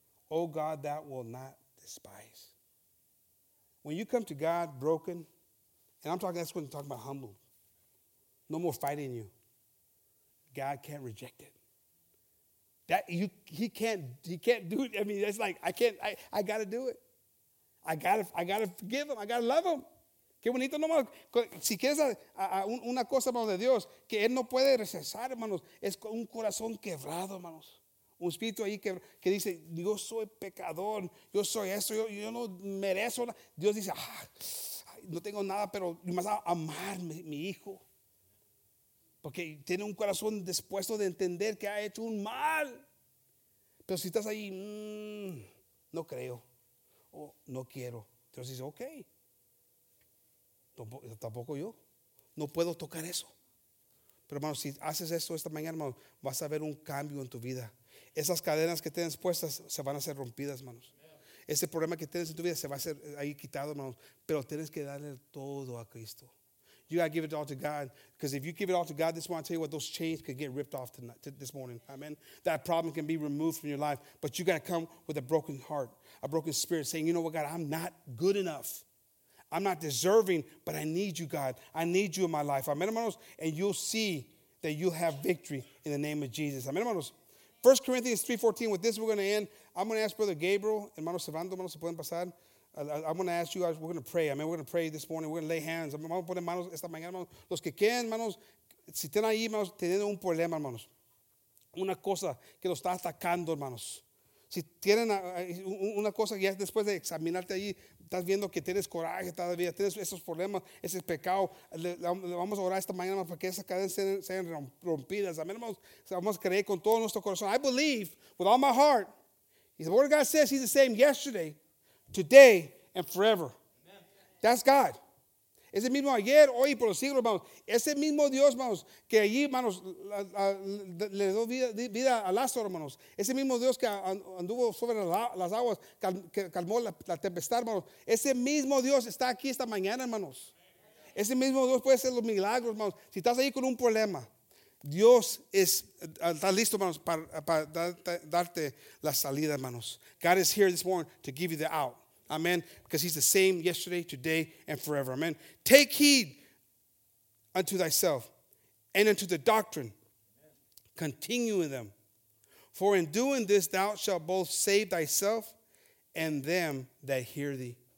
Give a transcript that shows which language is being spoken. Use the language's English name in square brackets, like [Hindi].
[English] Oh God, that will not despise. When you come to God broken, and I'm talking, that's when I'm talking about humble. No more fighting you. God can't reject it. He can't do it. I mean, that's like, I gotta do it. I gotta forgive him. I gotta love him. [Spanish] Qué bonito, no más. Si quieres una cosa, hermanos, de Dios, que él no puede rechazar, hermanos, es un corazón quebrado, hermanos. Un espíritu ahí que dice, yo soy pecador, yo soy eso, yo no merezco nada. Dios dice, no tengo nada, pero más a amar mi hijo. Porque tiene un corazón dispuesto de entender que ha hecho un mal. Pero si estás ahí, no creo, o no quiero. Dios dice, ok, tampoco yo, no puedo tocar eso. Pero hermano, si haces eso esta mañana, hermano, vas a ver un cambio en tu vida. Esas cadenas que tienes puestas se van a hacer rompidas, hermanos. Ese problema que tienes en tu vida se va a ser ahí quitado, hermanos. Pero tienes que darle todo a Cristo. [English] You got to give it all to God. Because if you give it all to God this morning, I'll tell you what, those chains could get ripped off this morning. Amen. That problem can be removed from your life. But you got to come with a broken heart, a broken spirit, saying, you know what, God, I'm not good enough. I'm not deserving, but I need you, God. I need you in my life. Amen, hermanos. And you'll see that you'll have victory in the name of Jesus. Amen, hermanos. 1 Corinthians 3:14, with this we're going to end. I'm going to ask Brother Gabriel, hermano Servando, hermano, [Spanish] se pueden pasar. [English] I'm going to ask you guys, we're going to pray. I mean, we're going to pray this morning. We're going to lay hands. [Spanish] Vamos a poner manos esta mañana, hermanos. Los que quieran, hermanos, si están ahí, hermanos, teniendo un problema, hermanos. Una cosa que los está atacando, hermanos. Si tienen una cosa que ya después de examinarte ahí, estás viendo que tienes coraje todavía, tienes esos problemas, ese pecado, le vamos a orar esta mañana para que esas cadenas sean rompidas. Amén, hermanos. Vamos a creer con todo nuestro corazón. [English] I believe with all my heart. The word of God says he's the same yesterday, today, and forever. Amen. That's God. [Spanish] Ese mismo ayer, hoy, por los siglos, hermanos. Ese mismo Dios, hermanos, que allí, hermanos, le dio vida a Lázaro, hermanos. Ese mismo Dios que anduvo sobre las aguas, que calmó la tempestad, hermanos. Ese mismo Dios está aquí esta mañana, hermanos. Ese mismo Dios puede hacer los milagros, hermanos. Si estás ahí con un problema, Dios está listo, hermanos, para darte la salida, hermanos. [English] God is here this morning to give you the out. Amen. Because he's the same yesterday, today, and forever. Amen. Take heed unto thyself and unto the doctrine. Continue in them. For in doing this, thou shalt both save thyself and them that hear thee.